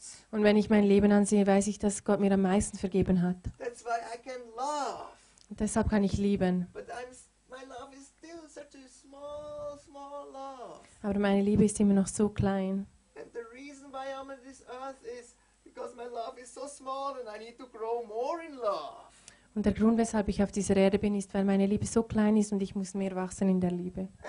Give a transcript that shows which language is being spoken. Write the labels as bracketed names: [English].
[German] Und wenn ich mein Leben ansehe, weiß ich, dass Gott mir am meisten vergeben hat. [English] That's why I can love. [German] Und deshalb kann ich lieben. [English] But my love is still such a small love. [German] Aber meine Liebe ist immer noch so klein. [English] And the reason why I'm on this earth is because my love is so small and I need to grow more in love. [German] Und der Grund, weshalb ich auf dieser Erde bin, ist, weil meine Liebe so klein ist und ich muss mehr wachsen in der Liebe.